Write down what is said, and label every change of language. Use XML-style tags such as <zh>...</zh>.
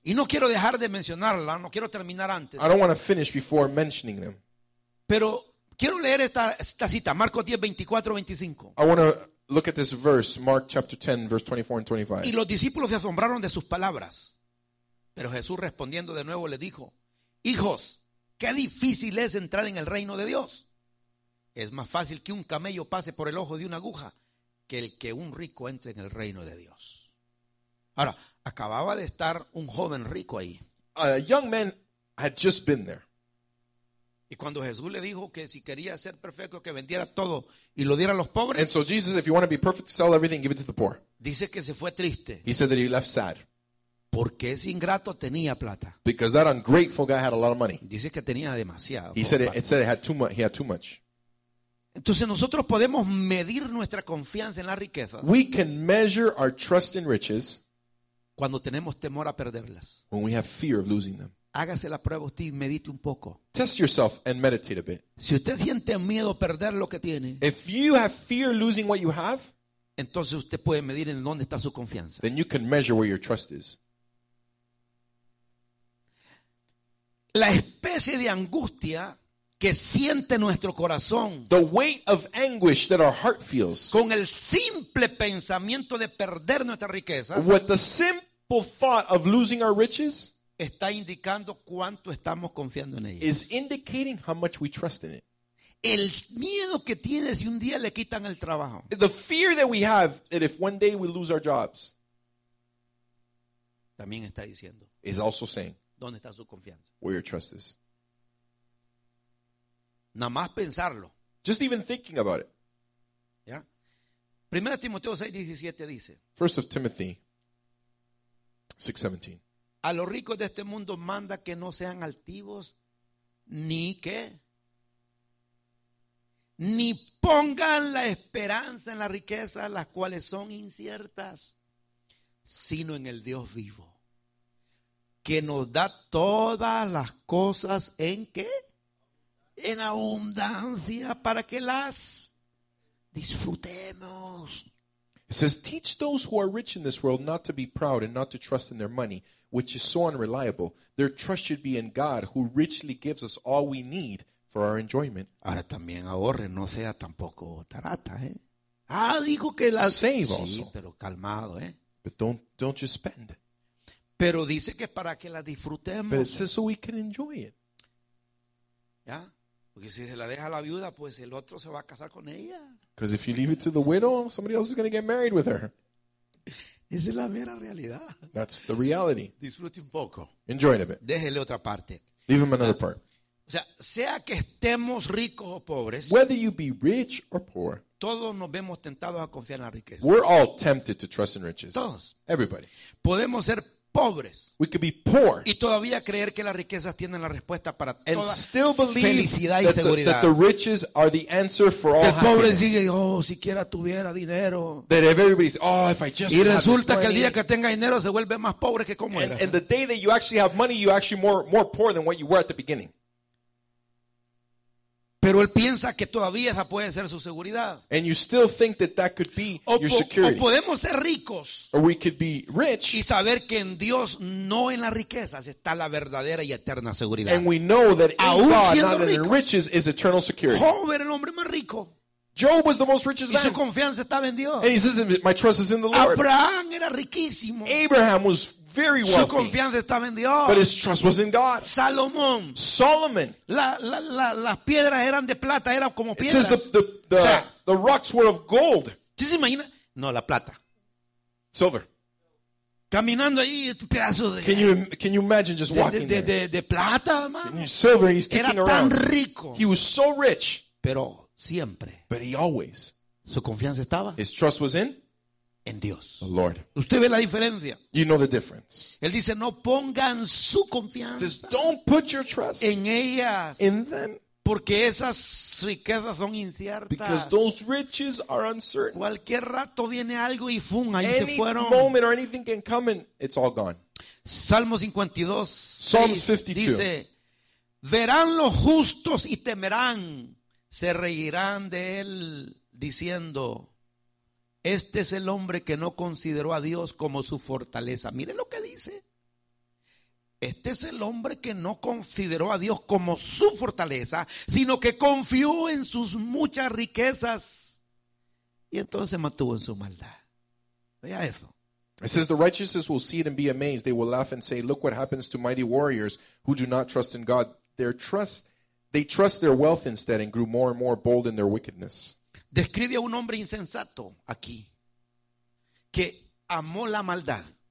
<es>Y no quiero dejar de mencionarla, no quiero terminar antes.</es> <en>I don't want to finish before mentioning them.</en> <es>Pero quiero leer esta cita, Marcos 10, 24, 25.</es> <en>I want to look at this verse, Mark chapter 10, verse 24 and 25.</en> <es>Y los discípulos se asombraron de sus palabras. Pero Jesús respondiendo de nuevo le dijo, hijos, qué difícil es entrar en el reino de Dios. Es más fácil que un camello pase por el ojo de una aguja que el que un rico entre en el reino de Dios. Ahora, acababa de estar un joven rico ahí.</es> <en>A young man had just been there.</en> <es>Y cuando Jesús le dijo que si quería ser perfecto que vendiera todo y lo diera a los pobres.</es> <en>And so Jesus, if you want to be perfect, sell everything, give it to the poor.</en> <es>Dice que se fue triste.</es> <en>He said that he left sad.</en> <es>Porque ese ingrato tenía plata.</es> <en>Because that ungrateful guy had a lot of money.</en> <es>Dice que tenía demasiado.</es> <en>He said it said it had too much. He had too much.</en> <es>Entonces nosotros podemos medir nuestra confianza en la riqueza.</es> <en>We can measure our trust in riches.</en> <es>Cuando tenemos temor a perderlas.</es> <en>When we have fear of losing them.</en> <es>Hágase la prueba usted y medite un poco.</es> <en>Test yourself and meditate a bit.</en> <es>Si usted siente miedo perder lo que tiene,</es> <en>if you have fear losing what you have,</en> <es>entonces usted puede medir en dónde está su confianza.</es> <en>Then you can measure where your trust is.</en> <es>La especie de angustia que siente nuestro corazón,</es> <en>the weight of anguish that our heart feels,</en> <es>con el simple pensamiento de perder nuestras riquezas,</es> <en>with the simple thought of losing our riches,</en> <es>está indicando cuánto estamos confiando en ella.</es> <en>Is indicating how much we trust in it.</en> <es>El miedo que tiene si un día le quitan el trabajo.</es> <en>The fear that we have that if one day we lose our jobs.</en> <es>También está diciendo.</es> <en>Is also saying.</en> <es>¿Dónde está su confianza?</es> <en>Where your trust is.</en> <es>Nada más pensarlo.</es> <en>Just even thinking about it.</en> <es>¿Ya? 1 Timoteo 6:17 dice.</es> <en>First of Timothy 6:17.</en> <es>A los ricos de este mundo manda que no sean altivos, ni que ni pongan la esperanza en la riqueza, las cuales son inciertas, sino en el Dios vivo, que nos da todas las cosas en qué, en abundancia, para que las disfrutemos.</es> <en>It says, teach those who are rich in this world not to be proud and not to trust in their money, which is so unreliable. Their trust should be in God, who richly gives us all we need for our enjoyment.</en> <es>Ahora también ahorre, no sea tampoco tarata, ¿eh? Ah, digo que la...</es> <en>Save also.</en> <es>Sí, pero calmado, ¿eh?</es> <en>But don't just spend.</en> <es>Pero dice que para que la disfrutemos.</es> <en>But it says so we can enjoy it.</en> <es>¿Ya? Porque si se la deja la viuda, pues el otro se va a casar con ella.</es> <en>Because if you leave it to the widow, somebody else is going to get married with her.</en> <es>Esa es la mera realidad.</es> <en>That's the reality.</en> <es>Disfrute un poco.</es> <en>Enjoy it a bit.</en> <es>Déjele otra parte.</es> <en>Leave him another part.</en> <es>O sea, sea que estemos ricos o pobres.</es> <en>Whether you be rich or poor.</en> <es>Todos nos vemos tentados a confiar en la riqueza.</es> <en>We're all tempted to trust in riches.</en> <es>Todos.</es> <en>Everybody.</en> <es>Podemos ser pobres.</es> <en>We could be poor.</en> <es>Y todavía creer que las riquezas tienen la respuesta para toda felicidad y seguridad.</es> <en>And still believe that the riches are the answer for all happiness.</en> <es>Que el pobre diga, oh, siquiera tuviera dinero.</es> <en>That everybody's, oh, if I just.</en> <es>Y resulta que el día que tenga dinero se vuelve más pobre que como era.</es> <en>And the day that you actually have money, you actually more poor than what you were at the beginning.</en> <es>Pero él piensa que todavía esa puede ser su seguridad.</es> <en>And you still think that could be your security.</en> <es>O podemos ser ricos.</es> <en>Or we could be rich.</en> <es>Y saber que en Dios, no en las riquezas, está la verdadera y eterna seguridad.</es> <en>And we know that in God, not in riches, is eternal security.</en> <es>Job era el hombre más rico.</es> <en>Job was the most richest man.</en> <es>Y su confianza estaba en Dios.</es> <en>And he says, my trust is in the Lord.</en> <es>Abraham era riquísimo.</es> <en>Abraham was very wealthy.</en> <es>Su confianza estaba en Dios.</es> <en>But his trust was in God.</en> <es>Salomón.</es> <en>Solomon.</en> <es>Las piedras eran de plata, eran como piedras.</es> <en>It says the rocks were of gold.</en> <es>¿Sí se imagina? No, la plata.</es> <en>Silver.</en> <es>Caminando ahí, pedazo de.</es> <en>Can you imagine just walking there?</en> <es>De plata, man.</es> <en>Silver, he's kicking around.</en> <es>Era tan rico.</es> <en>He was so rich.</en> <es>Pero siempre.</es> <en>But he always.</en> <es>Su confianza estaba.</es> <en>His trust was in.</en> <es>En Dios.</es> <en>The Lord.</en> <es>¿Usted ve la diferencia?</es> <en>You know the difference.</en> <es>Él dice, no pongan su confianza.</es> <en>He says, don't put your trust</en> <es>en ellas.</es> <en>In them.</en> <es>Porque esas riquezas son inciertas.</es> <en>Because those riches are uncertain.</en> <es>Cualquier rato viene algo y fum, ahí</es> <en>any</en> <es>se fueron.</es> <en>Any moment or anything can come and it's all gone.</en> <es>Salmo 52.</es> <en>Psalms 52.</en> <es>Dice, verán los justos y temerán, se reirán de él diciendo, este es el hombre que no consideró a Dios como su fortaleza. Mire lo que dice. Este es el hombre que no consideró a Dios como su fortaleza, sino que confió en sus muchas riquezas. Y entonces mantuvo en su maldad. Vea eso.</es> <en>It says, the righteous will see it and be amazed. They will laugh and say, look what happens to mighty warriors who do not trust in God. They trust their wealth instead and grew more and more bold in their wickedness.</en> <es>Describe a un hombre insensato aquí que amó la maldad.</es>